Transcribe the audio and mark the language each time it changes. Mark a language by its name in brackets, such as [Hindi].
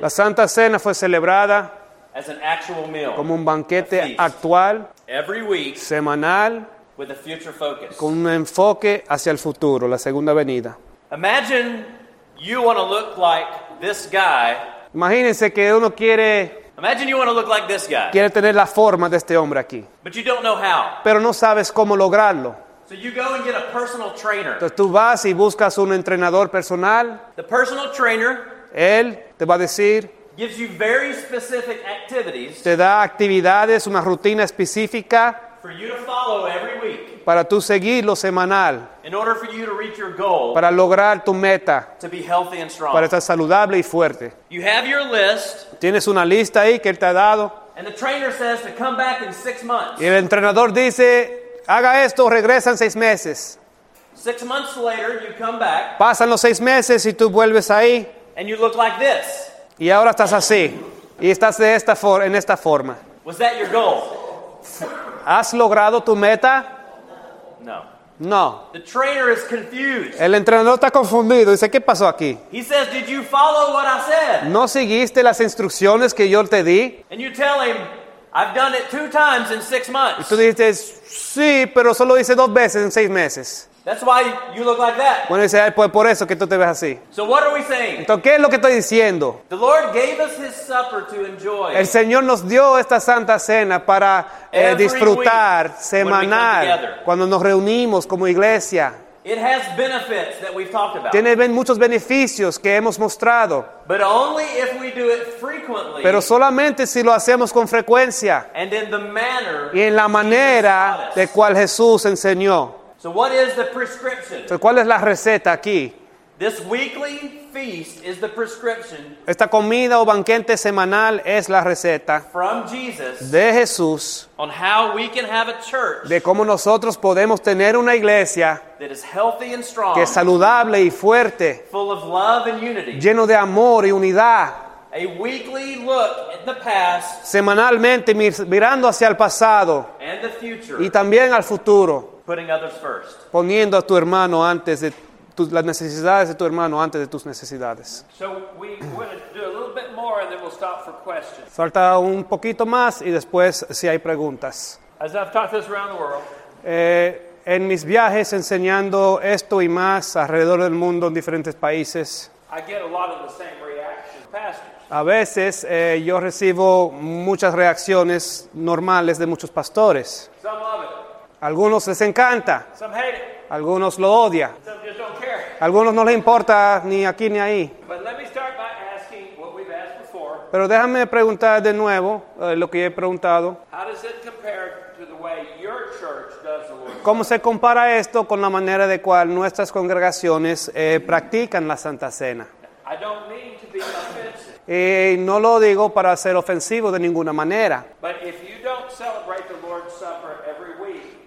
[Spanish] La Santa Cena fue celebrada. [English] As an actual meal. [Spanish] Como un banquete actual. [English] Every week. [Spanish] Semanal. [English] With a future focus. [Spanish] Con un enfoque hacia el futuro, la segunda venida. [English] Imagine you want to look like this guy. [Spanish] Imagínense que uno quiere. [English] Imagine you want to look like this guy. [Spanish] Quiere tener la forma de este hombre aquí. [English] But you don't know how. [Spanish] Pero no sabes cómo lograrlo. [English] So you go and get a personal trainer. [Spanish] Entonces tú vas y buscas un entrenador personal. [English] The personal trainer. [Spanish] Él te va a decir. [English] Gives you very specific activities. [Spanish] Te da actividades, una rutina específica. [English] For you to follow every week. [Spanish] Para tú seguirlo semanal. [English] In order for you to reach your goal. [Spanish] Para lograr tu meta. [English] To be healthy and strong. [Spanish] Para estar saludable y fuerte. [English] You have your list. [Spanish] Tienes una lista ahí que él te ha dado. [English] And the trainer says to come back in 6 months. [Spanish] Y el entrenador dice, haga esto, regresa en 6 meses. [English] 6 months later, you come back. [Spanish] Pasan los 6 meses y tú vuelves ahí. [English] And you look like this. [Spanish] Y ahora estás así. Y estás de esta en esta forma. [English] Was that your goal? [Spanish] ¿Has logrado tu meta? [English] No. [Spanish] No. [English] The trainer is confused. [Spanish] El entrenador está confundido. Dice, ¿qué pasó aquí? [English] He says, did you follow what I said? [Spanish] ¿No seguiste las instrucciones que yo te di? [English] And you tell him, I've done it 2 times in 6 months. [Spanish] Y tú dices, sí, pero solo hice 2 veces en 6 meses. [English] That's why you look like that. [Spanish] Bueno, dice, pues por eso que tú te ves así. [English] So what are we saying? [Spanish] Entonces, ¿qué es lo que estoy diciendo? [English] The Lord gave us his supper to enjoy. [Spanish] El Señor nos dio esta santa cena para disfrutar semanal cuando nos reunimos como iglesia. [English] It has benefits that we've talked about. [Spanish] Tiene muchos beneficios que hemos mostrado. [English] But only if we do it frequently. [Spanish] Pero solamente si lo hacemos con frecuencia. [English] And in the manner. [Spanish] Y en la manera de cual Jesús enseñó. [English] So what is the prescription? [Spanish] Entonces, ¿cuál es la receta aquí? [English] This weekly feast is the prescription. [Spanish] Esta comida o banquete semanal es la receta. [English] From Jesus. [Spanish] De Jesús. [English] On how we can have a church. [Spanish] De cómo nosotros podemos tener una iglesia. [English] That is healthy and strong. [Spanish] Que es saludable y fuerte. [English] Full of love and unity. [Spanish] Lleno de amor y unidad. [English] A weekly look at the past. [Spanish] Semanalmente mirando hacia el pasado. [English] And the future. [Spanish] Y también al futuro. [English] Putting others first. [Spanish] Poniendo a tu hermano antes de las necesidades de tu hermano antes de tus necesidades. [English] So we want to do a little bit more and then we'll stop for questions. [Spanish] Falta un poquito más y después si hay preguntas. [English] As I've taught this around the world. [Spanish] En mis viajes enseñando esto y más alrededor del mundo en diferentes países. [English] I get a lot of the same reactions, pastors. [Spanish] A veces yo recibo muchas reacciones normales de muchos pastores. [English] Some love it. [Spanish] Algunos les encanta. [English] Some hate it. [Spanish] Algunos lo odia. [English] Some just don't care. [Spanish] Algunos no les importa ni aquí ni ahí. [English] But let me start by asking what we've asked before. [Spanish] Pero déjame preguntar de nuevo lo que he preguntado. [English] How does it compare to the way your church does the Lord's Supper? [Spanish] ¿Cómo se compara esto con la manera de cual nuestras congregaciones practican la Santa Cena? [English] I don't mean to be offensive. [Spanish] Y no lo digo para ser ofensivo de ninguna manera. [English] But if you don't celebrate the Lord's Supper every week,